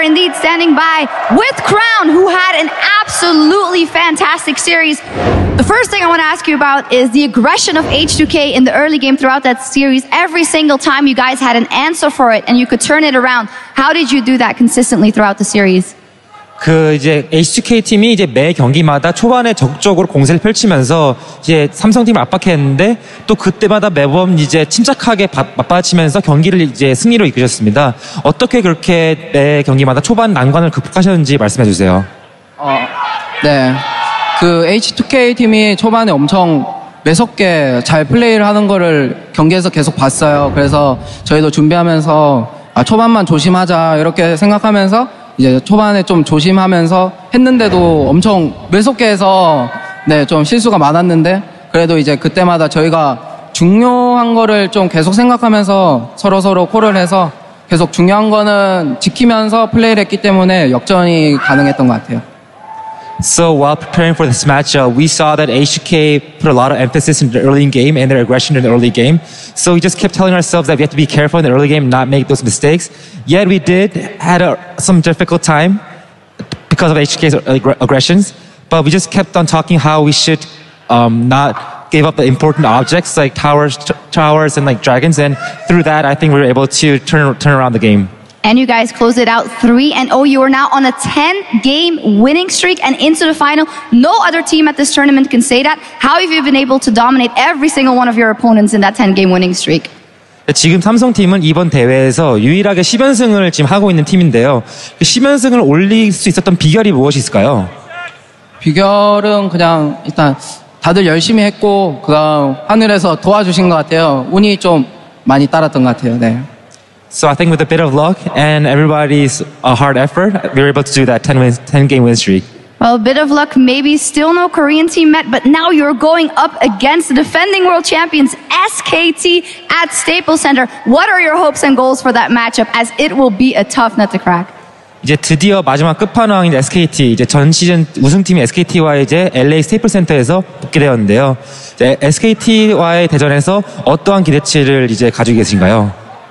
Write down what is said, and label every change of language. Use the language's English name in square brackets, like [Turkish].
[English] Indeed, standing by with Crown, who had an absolutely fantastic series. The first thing I want to ask you about is the aggression of H2K in the early game throughout that series. Every single time you guys had an answer for it and you could turn it around. How did you do that consistently throughout the series? [Korean] 그 이제 H2K 팀이 이제 매 경기마다 초반에 적극적으로 공세를 펼치면서 이제 삼성 팀을 압박했는데 또 그때마다 매번 이제 침착하게 맞받치면서 경기를 이제 승리로 이끄셨습니다. 어떻게 그렇게 매 경기마다 초반 난관을 극복하셨는지 말씀해 주세요. 네. 그 H2K 팀이 초반에 엄청 매섭게 잘 플레이를 하는 거를 경기에서 계속 봤어요. 그래서 저희도 준비하면서 아 초반만 조심하자 이렇게 생각하면서 이제 초반에 좀 조심하면서 했는데도 엄청 매섭게 해서 네, 좀 실수가 많았는데 그래도 이제 그때마다 저희가 중요한 거를 좀 계속 생각하면서 서로서로 콜을 해서 계속 중요한 거는 지키면서 플레이를 했기 때문에 역전이 가능했던 것 같아요. [English] So while preparing for this match, we saw that HK put a lot of emphasis in the early game and their aggression in the early game. So we just kept telling ourselves that we have to be careful in the early game, not make those mistakes. Yet we did had some difficult time because of HK's aggressions. But we just kept on talking how we should not give up the important objects like towers and like dragons. And through that, I think we were able to turn around the game. And you guys close it out 3-0. You are now on a 10-game winning streak and into the final. No other team at this tournament can say that. How have you been able to dominate every single one of your opponents in that 10-game winning streak? [Korean] 지금 삼성 팀은 이번 대회에서 유일하게 10연승을 지금 하고 있는 팀인데요. 10연승을 올릴 수 있었던 비결이 무엇이 있을까요? 비결은 그냥 일단 다들 열심히 했고 그다음 하늘에서 도와주신 것 같아요. 운이 좀 많이 따랐던 것 같아요. 네. [English] So I think with a bit of luck and everybody's hard effort, we were able to do that 10-game win streak. Well, a bit of luck, maybe still no Korean team met, but now you're going up against the defending world champions, SKT, at Staples Center. What are your hopes and goals for that matchup, as it will be a tough nut to crack? [Korean] 이제 드디어 마지막 끝판왕인 SKT, 이제 전 시즌 우승팀인 SKT와 이제 LA 스테이플 센터에서 붙게 되었는데요. 이제 SKT와의 대전에서 어떠한 기대치를 이제 가지고 계신가요?